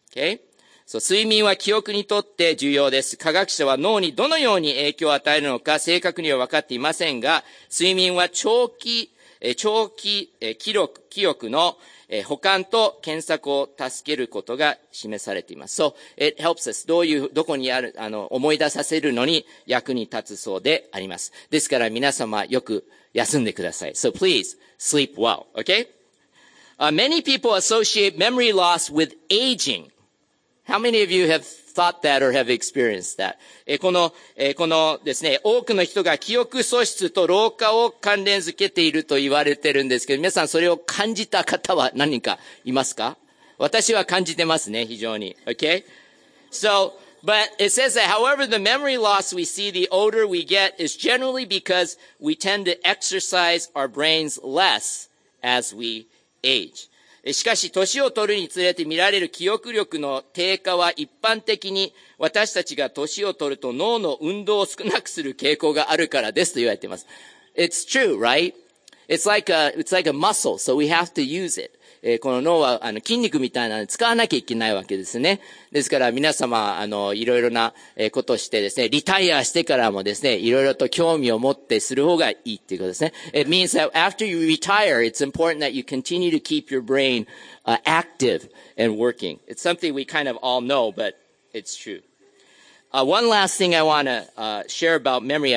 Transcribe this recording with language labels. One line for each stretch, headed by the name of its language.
English: Okay?
Japanese: So, 睡眠は記憶にとって重要です。科学者は脳にどのように影響を与えるのか正確には分かっていませんが、睡眠は長期記録の保管と検索を助けることが示されています。
English: So, it helps us.
Japanese: どういう、どこにある、思い出させるのに役に立つそうであります。ですから皆様よく休んでください。
English: So, please, sleep well. Okay? Many people associate memory loss with aging. How many of you have thought that or have experienced that?
Japanese: このですね、多くの人が記憶喪失と老化を関連づけていると言われてるんですけど、皆さんそれを感じた方は何人かいますか？私は感じてますね、非常に。 Okay?
English: So, but it says that, however, the memory loss we see the older we get is generally because we tend to exercise our brains less as we age.
Japanese: しかし、年を取るにつれて見られる記憶力の低下は一般的に私たちが年を取ると脳の運動を少なくする傾向があるからですと言われています。
English: It's true, right? It's like a muscle, so we have to use it.
Japanese: この脳は筋肉みたいなのを使わなきゃいけないわけですね。ですから皆様、いろいろなことをしてですね、リタイアしてからもですね、いろいろと興味を持ってする方がいいっていうことですね。
English: It means that after you retire, it's important that you continue to keep your brain, active and working. It's something we kind of all know, but it's true. One last thing I want to, share about memory.